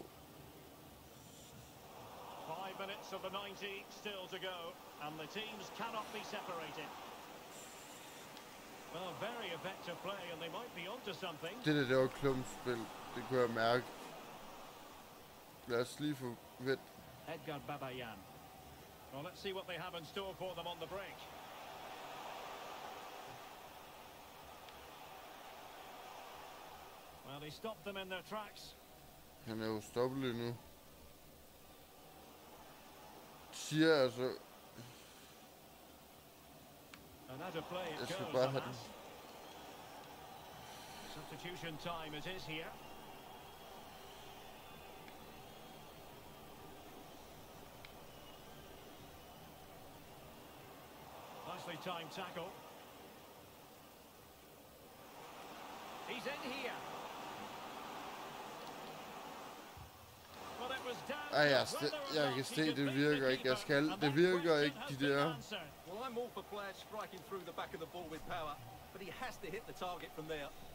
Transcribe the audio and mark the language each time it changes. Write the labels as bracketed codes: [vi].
[en] 5 minutes of the 90 still to go, and the teams cannot be separated. Well, very effective play, and they might be onto something. [da] Det der var klumpspil, det kunne jeg mærke. Lad os lige få ved. [en] Edgar Babayan. Well, let's see what they have in store for them on the break. Well, they stopped them in their tracks. [da] Han er jo stoppet nu. Siger jeg altså. Jeg skal bare have den. [en] Substitution time it is here. Nicely timed tackle. He's in here. [da] Ej, jeg kan se, det virker ikke, jeg skal. Det virker ikke, de der. [en] Well, I'm all for players striking through the back of the ball with power, but he has to hit the target from there.